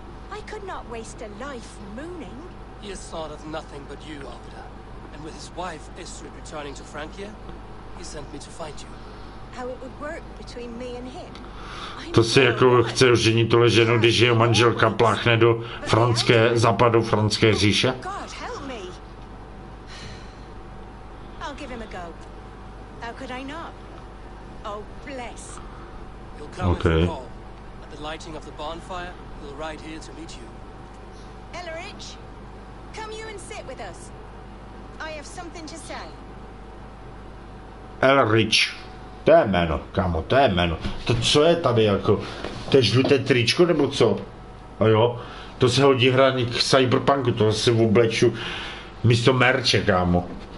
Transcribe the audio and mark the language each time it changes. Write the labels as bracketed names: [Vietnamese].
[English] I could not waste a life mooning. He has thought of nothing but you, Arvida. And with his wife, Isrid, returning to Francia, he sent me to find you. How it would work between me and him? [Czech] To si jako chce oženit tuhle ženu, když jeho manželka pláchne do franské, západu franské říše? [English] God, help me! I'll give him a go. How could I not? Oh, bless! You'll come with me all. At the lighting of the bonfire, we'll ride here to meet you. Ellerich, come you and sit with us. I have something to say. [Czech] Ellerich, to je jméno, kámo, to je jméno. To co je tady jako, to je žluté tričko nebo co? A jo, to se hodí hraní k cyberpunku, to se v obleču místo merče, kámo.